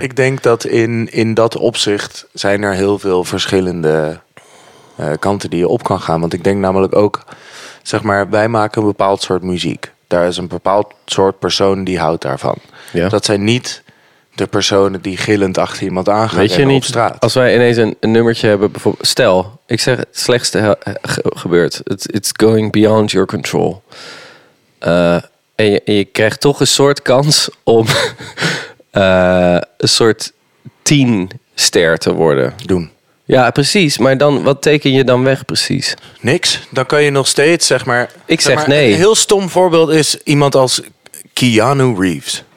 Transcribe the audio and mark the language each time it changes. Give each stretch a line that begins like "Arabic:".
Dutch: Ik denk dat in dat opzicht zijn er heel veel verschillende kanten die je op kan gaan. Want ik denk namelijk ook, zeg maar, wij maken een bepaald soort muziek. Daar is een bepaald soort persoon die houdt daarvan. Ja. Dat zijn niet de personen die gillend achter iemand aangaan. Weet je niet, op straat. Als wij ineens een nummertje hebben, bijvoorbeeld, stel, ik zeg het slechtste gebeurt.
English: It's going beyond your control.
Dutch: En je krijgt toch een soort kans om een soort 10-ster te worden. Doen. Ja, precies. Maar dan, wat teken je dan weg precies? Niks. Dan kan je nog steeds, zeg maar. Ik zeg maar, nee. Een heel stom voorbeeld is iemand als Keanu Reeves.